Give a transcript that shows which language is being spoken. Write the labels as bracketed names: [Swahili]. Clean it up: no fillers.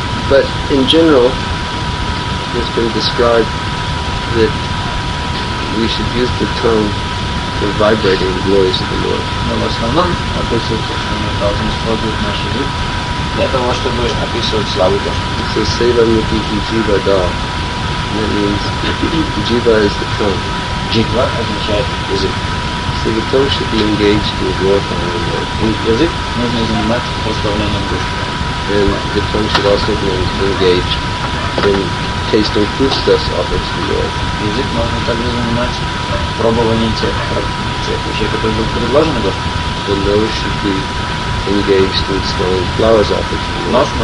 [English] But in general, it's been described that we should use the tone for vibrating the glories of the Lord. [Russian] Но в основном описывается, что мы должны использовать наши руки для того, чтобы описывать славу Господа. [English] So seva mukhi jiva da. That means jiva is the tongue. [Russian] Jiva означает язык. [English] So the tongue should be engaged in glorifying the Lord. [Russian] Язык нужно заниматься прославлением Господа. [English] And the tongue should also be engaged in tasting foodstuffs offered to the Lord. [Russian] Язык можно также заниматься пробованием тех вещей, которые будут предложены Господу. [English] The nose should be engaged in smelling flowers offered to the